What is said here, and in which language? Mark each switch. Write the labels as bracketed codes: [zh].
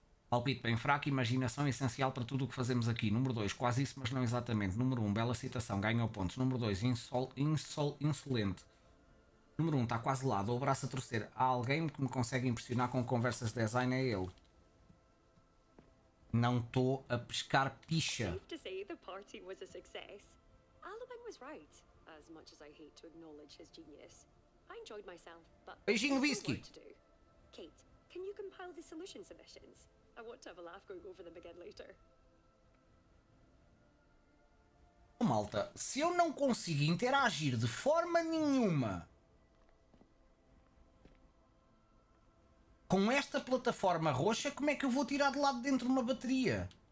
[pt] Palpite bem fraco, imaginação é essencial para tudo o que fazemos aqui. Número 2, quase isso, mas não exatamente. Número 1, bela citação, ganhou pontos. Número 2, insolente. Número 1, está quase lá, dou o braço a torcer. Há alguém que me consegue impressionar com conversas de design, é ele. Não estou a pescar picha. [en] Safe to say the party was a success. Alabang was right, as much as I hate to acknowledge his genius. I enjoyed myself, but... [pt] Beijinho, whisky! [en] Kate, can you compile the solution submissions? I want to have a laugh going over them again later. [pt] Oh, malta, se eu não consigo interagir de forma nenhuma com esta plataforma roxa, como é que eu vou tirar de lado dentro de uma bateria?